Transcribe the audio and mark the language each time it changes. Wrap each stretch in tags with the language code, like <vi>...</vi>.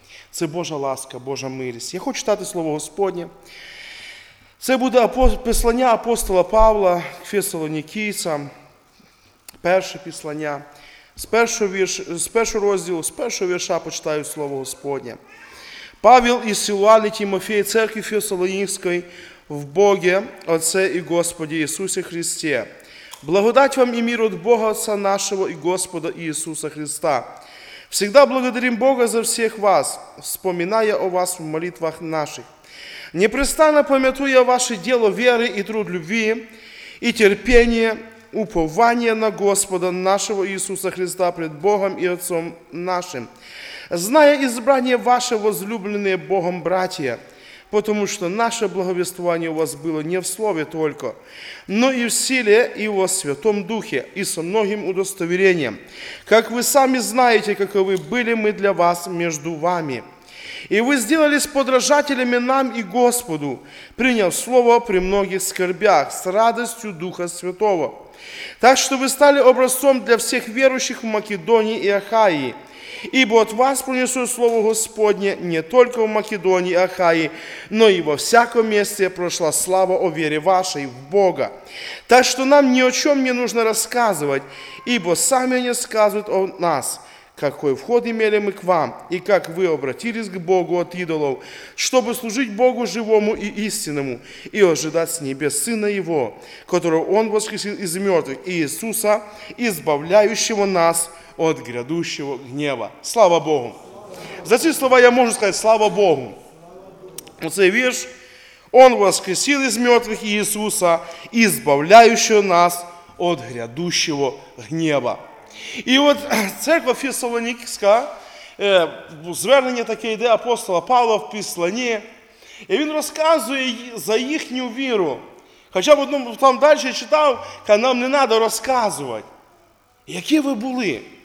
<uk>Це Божа ласка, Божа милість. Я хочу читати Слово Господнє. Це буде послання апостола Павла к Фесалонікійцям, перше послання. З першого розділу, з першого вірша почитаю Слово Господнє. Павел і Силуан і Тимофій, церкві Фесалонікської, в Боге, Отце і Господі Ісусі Христі. Благодать вам і мир от Бога Отца нашого і Господа Ісуса Христа.</uk> <ru>Всегда благодарим Бога</ru> <uk>за всіх вас,</uk> <ru>вспоминая о вас в молитвах наших.</ru> <uk>Непрестанно пам'ятую ваше діло віри і труд любви, і терпіння, уповання на Господа нашого Ісуса Христа пред Богом і Отцом нашим.</uk> <ru>Знаю избрание ваше, возлюбленные Богом братья, потому что наше благовествование у вас было не в слове только, но и в силе, и во Святом Духе, и со многим удостоверением, как вы сами знаете, каковы были мы для вас между вами. И вы сделались подражателями нам и Господу, приняв слово при многих скорбях, с радостью Духа Святого. Так что вы стали образцом для всех верующих в Македонии и Ахаии, ибо от вас пронесу слово Господне не только в Македонии и Ахаи, но и во всяком месте прошла слава о вере вашей в Бога. Так что нам ни о чем не нужно рассказывать, ибо сами они сказывают о нас, какой вход имели мы к вам, и как вы обратились к Богу от идолов, чтобы служить Богу живому и истинному, и ожидать с небес Сына Его, которого Он воскресил из мертвых, и Иисуса, избавляющего нас от грядущего гнева. Слава Богу!</ru> <uk>За ці слова я можу сказати слава Богу! Оцей вірш,</uk> <ru>Он воскресил из мертвых Иисуса, избавляющего нас от грядущего гнева.</ru> <uk>І от церква Фесалонікська, звернення таке йде апостола Павла в післанні, і він розказує за їхню віру. Хоча б одному там далі читав, каже, нам не треба розказувати, які ви були.</uk>